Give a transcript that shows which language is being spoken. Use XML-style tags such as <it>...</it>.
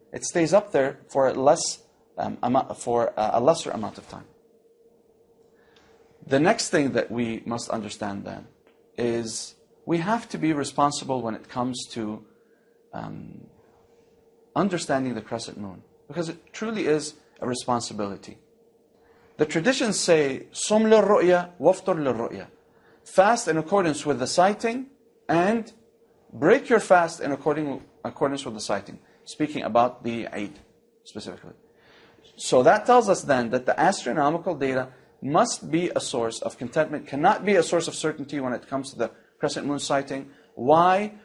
<en>It stays up there for a lesser amount of time. The next thing that we must understand then is we have to be responsible when it comes to understanding the crescent moon, because it truly is a responsibility. The traditions say,</en> <ar>صُمْ لِلرُّؤْيَا وَفْطُرْ لِلرُّؤْيَا.</ar> <en>Fast in accordance with the sighting, and break your fast in accordance with the sighting. Speaking about the Eid specifically. So that tells us then that the astronomical data must be a source of contentment, cannot be a source of certainty when it comes to the crescent moon sighting. Why?</en>